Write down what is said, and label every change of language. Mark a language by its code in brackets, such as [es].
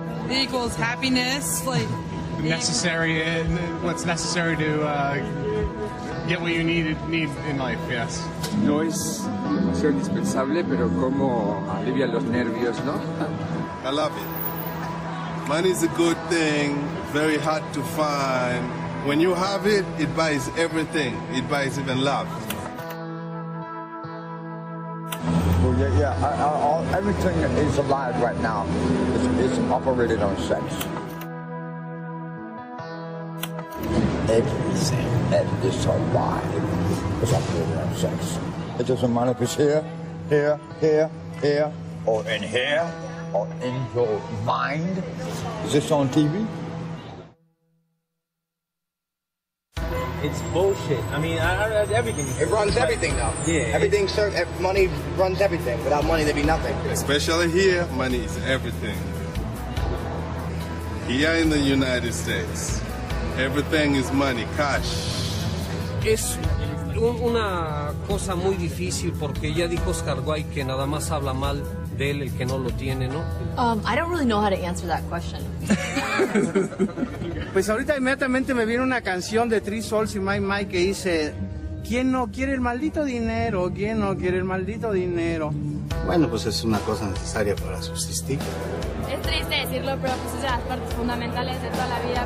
[en] equals happiness, like necessary and what's necessary to get what you need in life. Yes. [es] No es demasiado indispensable, pero como alivia los nervios, ¿no? [en] I love it. Money is a good thing, very hard to find. When you have it, it buys everything. It buys even love. Well, everything is alive right now. It's operated on sex. Everything is alive. It's operated on sex. It doesn't matter if it's here, here, here, here, or in here, or in your mind. Is this on TV? It's bullshit. I mean, everything. It runs everything now. Yeah. Everything, money runs everything. Without money, there'd be nothing. Especially here, money is everything. Here in the United States, everything is money, cash. [es] Es una cosa muy difícil porque ya dijo Oscar Wilde que nada más habla mal de él el que no lo tiene, ¿no? [en] I don't really know how to answer that question. [es] Pues ahorita inmediatamente me viene una canción de Three Souls y My My que dice, ¿quién no quiere el maldito dinero? ¿Quién no quiere el maldito dinero? Bueno, pues es una cosa necesaria para subsistir. Es triste decirlo, pero pues es de las partes fundamentales de toda la vida.